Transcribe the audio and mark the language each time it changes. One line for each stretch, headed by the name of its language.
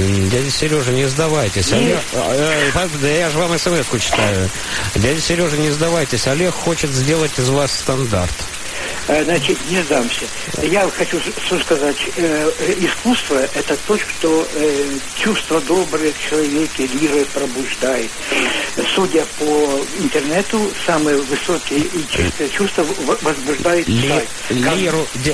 Ukrainian: Дядя Сережа, не здавайтесь. Я ж вам смс-ку читаю. Дядя Сережа, не здавайтесь. Олег хоче зробити з вас стандарт.
Russian: Значит, не сдамся. Я хочу сказать, искусство – это то, что чувства добрые в человеке, лирой пробуждает. Судя по интернету, самые высокие и чистые чувства возбуждают лиру.